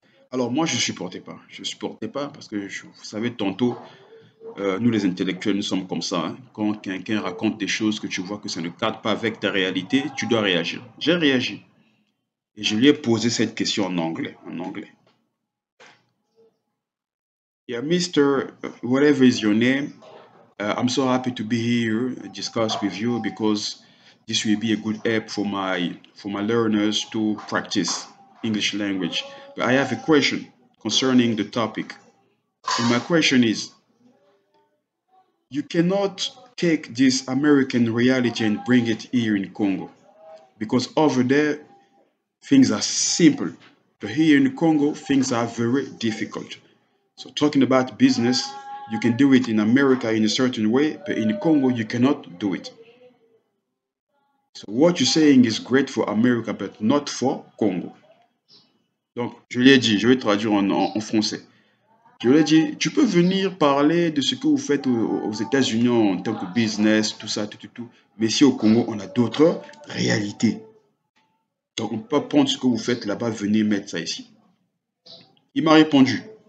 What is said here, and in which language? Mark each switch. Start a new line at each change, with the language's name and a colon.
French: Alors moi, je ne supportais pas. Je ne supportais pas parce que, vous savez, tantôt, nous les intellectuels, nous sommes comme ça. Hein. Quand quelqu'un raconte des choses que tu vois que ça ne cadre pas avec ta réalité, tu dois réagir. J'ai réagi. Et je lui ai posé cette question en anglais. En anglais.
English: Yeah, Mr. Whatever is your name, I'm so happy to be here and discuss with you because this will be a good help for my learners to practice English language. But I have a question concerning the topic. And my question is, you cannot take this American reality and bring it here in Congo because over there, things are simple. But here in Congo, things are very difficult. So talking about business, you can do it in America in a certain way, but in Congo, you cannot do it. So what you're saying is great for America, but not for Congo.
French: Donc, je lui ai dit, je vais traduire en français. Je lui ai dit, tu peux venir parler de ce que vous faites aux États-Unis en tant que business, tout ça, tout, tout, tout, mais ici au Congo, on a d'autres réalités. Donc, on peut prendre ce que vous faites là-bas, venir mettre ça ici. Il m'a répondu.